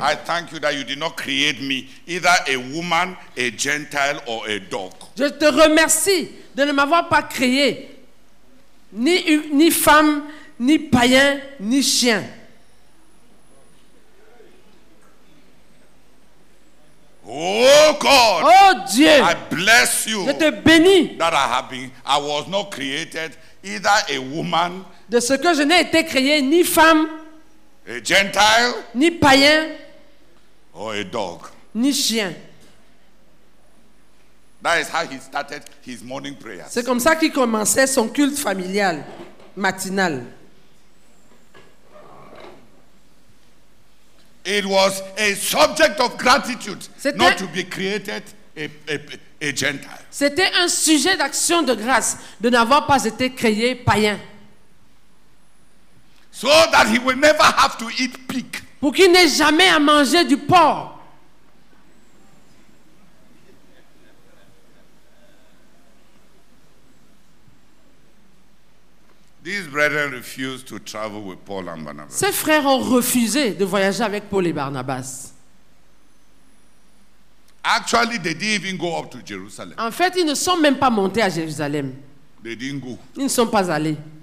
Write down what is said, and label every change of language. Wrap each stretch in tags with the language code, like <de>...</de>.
<en>I thank you that you did not create me either a woman, a Gentile, or a dog.</en> <fr>Je te remercie de ne m'avoir pas créé ni femme, ni païen, ni chien.</fr> <en>Oh God.</en> <fr>Oh Dieu.</fr> <en>I bless you.</en> <fr>Je te bénis.</fr> <en>That I was not created either a woman.</en> <fr>De ce que je n'ai été créé ni femme.</fr> <en>A Gentile.</en> <fr>Ni païen.</fr> <en>Or a dog.</en> <fr>Ni chien.</fr> <en>That is how he started his morning prayers.</en> <fr>C'est comme ça qu'il commençait son culte familial matinal.</fr> <en>It was a subject of gratitude, not to be created a Gentile.</en> <fr>C'était un sujet d'action de grâce de n'avoir pas été créé païen.</fr> <en>So that he will never have to eat pig.</en> <fr>Pour qu'il n'ait jamais à manger du porc.</fr> <en>These brethren refused to travel with Paul and Barnabas.</en> <fr>Ces frères ont refusé de voyager avec Paul et Barnabas.</fr> <en>Actually, they didn't even go up to Jerusalem.</en> <fr>En fait, ils ne sont même pas montés à Jérusalem.</fr> <en>They didn't go.</en> <fr>Ils ne sont pas allés.</fr>